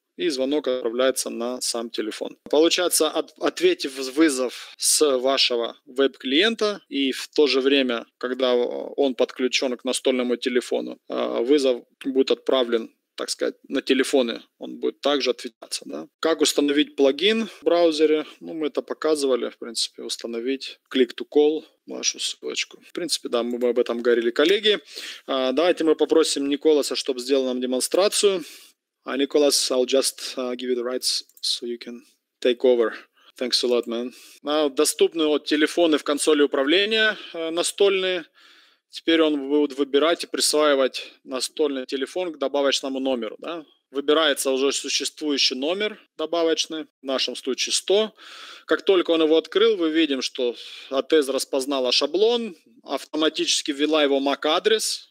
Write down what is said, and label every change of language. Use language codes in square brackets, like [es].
[ru] и звонок отправляется на сам телефон. Получается, ответив вызов с вашего веб-клиента, и в то же время, когда он подключен к настольному телефону, вызов будет отправлен, так сказать, на телефоны, он будет также отвечаться. Да? Как установить плагин в браузере? Ну, мы это показывали, в принципе, установить click to call, вашу ссылочку. В принципе, да, мы об этом говорили, коллеги. Давайте мы попросим Николаса, чтобы сделал нам демонстрацию. [en] Николас, I'll just give you the rights so you can take over. Thanks a lot, man. [ru] Доступны вот телефоны в консоли управления настольные. Теперь он будет выбирать и присваивать настольный телефон к добавочному номеру. Да? Выбирается уже существующий номер добавочный, в нашем случае 100. Как только он его открыл, мы видим, что АТЭС распознала шаблон, автоматически ввела его MAC-адрес.